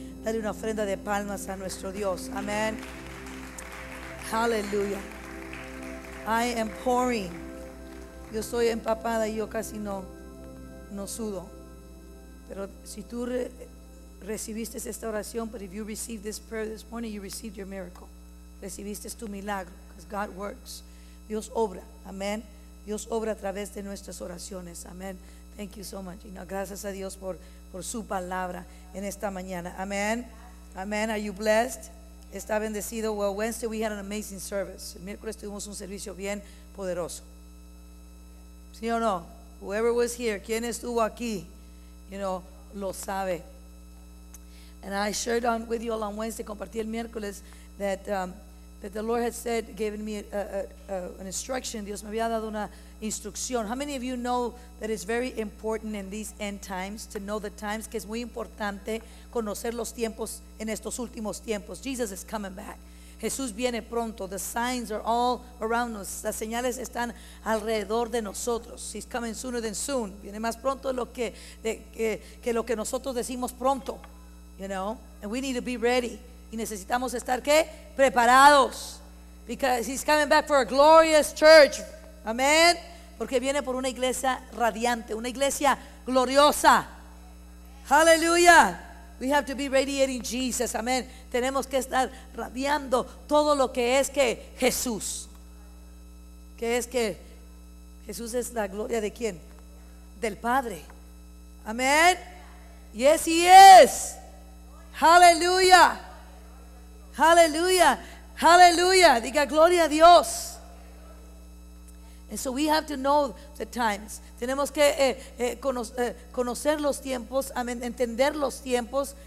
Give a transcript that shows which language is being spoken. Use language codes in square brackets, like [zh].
[es] Dale una ofrenda de palmas a nuestro Dios. Amén. Aleluya. [en] I am pouring. [es] Yo soy empapada y yo casi no sudo. Pero si tú recibiste esta oración, [en] but if you received this prayer this morning, you received your miracle. [es] Recibiste tu milagro, [en] because God works. [es] Dios obra, amén. Dios obra a través de nuestras oraciones, amén. [en] Thank you so much. [es] Y no, gracias a Dios por su palabra en esta mañana, amén. Amén. [en] Are you blessed? [es] Está bendecido. [en] Well, Wednesday we had an amazing service. [es] El miércoles tuvimos un servicio bien poderoso. Sí o no? [en] Whoever was here, [es] quien estuvo aquí, [en] you know, [es] lo sabe. [en] And I shared on with you all on Wednesday, [es] compartí el miércoles, [en] that that the Lord had said, given me an instruction. [es] Dios me había dado una instrucción. [en] How many of you know that it's very important in these end times to know the times? [es] Que es muy importante conocer los tiempos en estos últimos tiempos. [en] Jesus is coming back. [es] Jesús viene pronto. [en] The signs are all around us. [es] Las señales están alrededor de nosotros. [en] He's coming sooner than soon. [es] Viene más pronto de lo que nosotros decimos pronto. [en] You know, and we need to be ready. [es] Y necesitamos estar qué? Preparados. [en] Because he's coming back for a glorious church. Amen. [es] Porque viene por una iglesia radiante, una iglesia gloriosa. Hallelujah. [en] We have to be radiating Jesus. [es] Amen. Tenemos que estar radiando todo lo que es que Jesús. Que es que Jesús es la gloria de quién? Del Padre. Amen. [en] Yes, he is. [es] Hallelujah. Hallelujah. Hallelujah. Diga gloria a Dios. [en] And so we have to know the times. [es] Tenemos que conocer los tiempos, entender los tiempos.